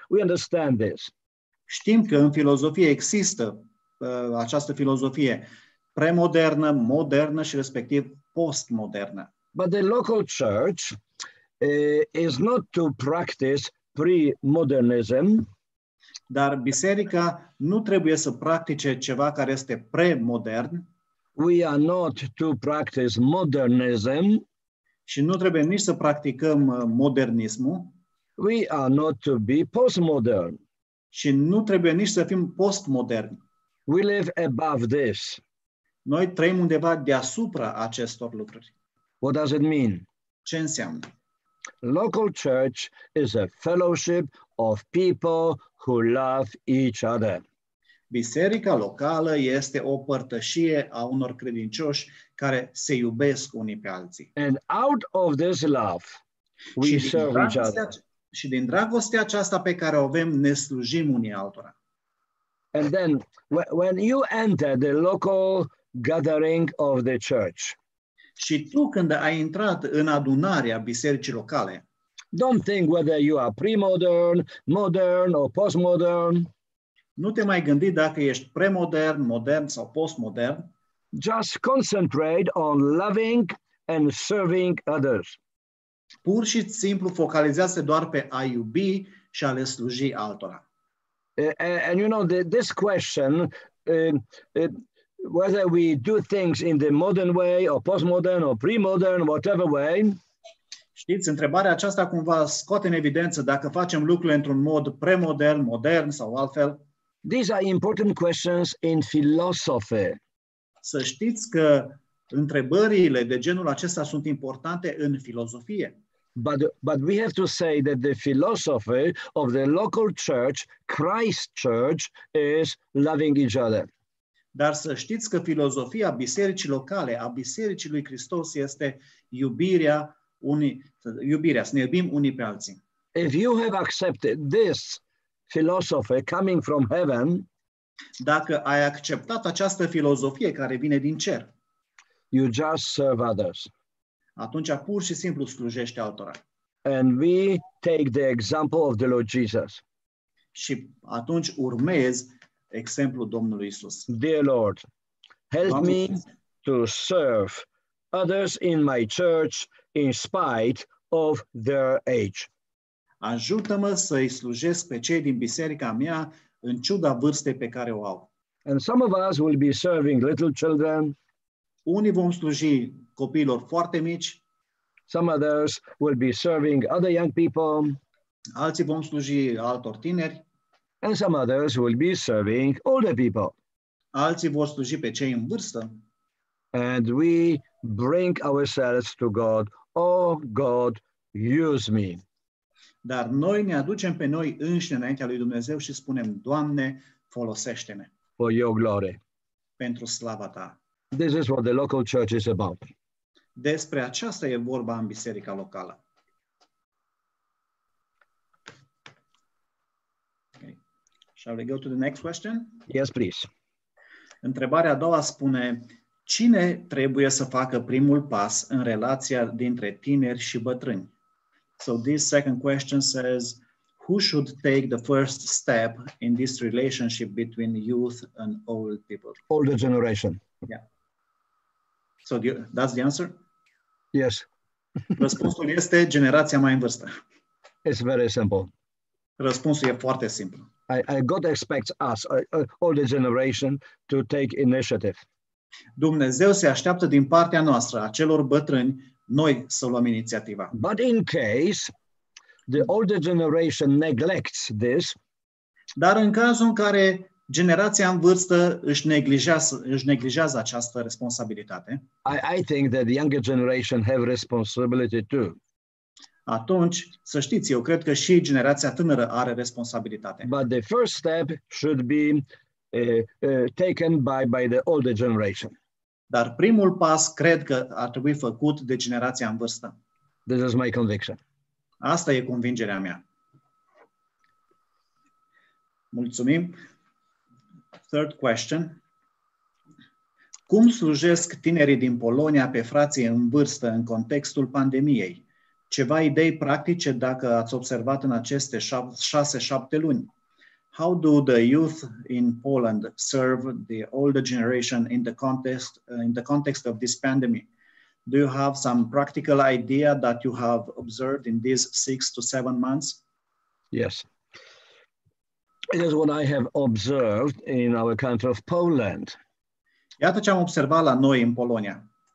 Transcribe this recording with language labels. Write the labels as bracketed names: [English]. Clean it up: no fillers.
[English] We understand this. [Romanian] Știm că în filozofie există această filozofie premodernă, modernă și respectiv postmodernă. [English] But the local church is not to practice pre-modernism. [Romanian] Dar biserica nu trebuie să practice ceva care este premodern. [English] We are not to practice modernism. [Romanian] Și nu trebuie nici să practicăm modernismul. [English] We are not to be postmodern. [Romanian] Și nu trebuie nici să fim postmodern. [English] We live above this. [Romanian] Noi trăim undeva deasupra acestor lucruri. [English] What does it mean? [Romanian] Ce înseamnă? [English] Local church is a fellowship of people who love each other. [Romanian] Biserica locală este o părtășie a unor credincioși care se iubesc unii pe alții. [English] And out of this love, we serve each other. [Romanian] Și din dragostea aceasta pe care o avem, ne slujim unii altora. [English] And then, when you enter the local gathering of the church, [Romanian] și tu când ai intrat în adunarea bisericii locale, [English] don't think whether you are pre-modern, modern or postmodern. [Romanian] Nu te mai gândi dacă ești premodern, modern sau postmodern. [English] Just concentrate on loving and serving others. [Romanian] Pur și simplu focalizează-te doar pe a iubi și a le sluji altora. [English] And you know, this question, whether we do things in the modern way or postmodern or pre-modern, whatever way. [Romanian] Știți, întrebarea aceasta cumva scoate în evidență dacă facem lucrurile într-un mod premodern, modern sau altfel. [English] These are important questions in philosophy. [Romanian] Să știți că întrebările de genul acesta sunt importante în filozofie. [English] But we have to say that the philosophy of the local church, Christ Church, is loving each other. [Romanian] Dar să știți că filozofia bisericii locale, a bisericii lui Hristos, este iubirea iubirea, să ne iubim unii pe alții. [English] If you have accepted this philosophy coming from heaven, [Romanian] dacă ai acceptat această filozofie care vine din cer, [English] you just serve others. [Romanian] Atunci pur și simplu slujești altora. [English] And we take the example of the Lord Jesus. [Romanian] Și atunci urmezi exemplul Domnului Isus. [English] Dear Lord, help me to serve others in my church in spite of their age. [Romanian] Ajută-mă să-i slujesc pe cei din biserica mea în ciuda vârstei pe care o au. [English] And some of us will be serving little children. [Romanian] Unii vom sluji copiilor foarte mici. [English] Some others will be serving other young people. [Romanian] Alții vom sluji altor tineri. [English] And some others will be serving older people. [Romanian] Alții vor sluji pe cei în vârstă. [English] And we bring ourselves to God. Oh God, use me. [Romanian] Dar noi ne aducem pe noi înșine înaintea lui Dumnezeu și spunem, Doamne, folosește-ne. [English] For your glory. [Romanian] Pentru slava ta. [English] This is what the local church is about. [Romanian] Despre aceasta e vorba în biserica locală. [English] Shall we go to the next question? Yes, please. [Romanian] Întrebarea a doua spune, cine trebuie să facă primul pas în relația dintre tineri și bătrâni? [English] So this second question says, who should take the first step in this relationship between youth and old people? Older generation. Yeah. So that's the answer? Yes. [Romanian] Răspunsul este generația mai în vârstă. [English] It's very simple. [Romanian] Răspunsul e foarte simplu. [English] God expects us, older generation, to take initiative. [Romanian] Dumnezeu se așteaptă din partea noastră, a celor bătrâni, noi să luăm inițiativa. [English] But in case the older generation neglects this, [Romanian] dar în cazul în care generația în vârstă își neglijează această responsabilitate, [English] I think that the younger generation have responsibility too. [Romanian] Atunci, să știți, eu cred că și generația tânără are responsabilitate. [English] But the first step should be taken by the older generation. [Romanian] Dar primul pas cred că ar trebui făcut de generația în vârstă. [English] This is my conviction. [Romanian] Asta e convingerea mea. Mulțumim. [English] Third question. [Romanian] Cum slujesc tinerii din Polonia pe frații în vârstă în contextul pandemiei? Ceva idei practice dacă ați observat în aceste 6-7 luni? [English] How do the youth in Poland serve the older generation in the context of this pandemic? Do you have some practical idea that you have observed in these 6 to 7 months? Yes. It is what I have observed in our country of Poland. [Romanian] Iată ce am observat la noi în Polonia.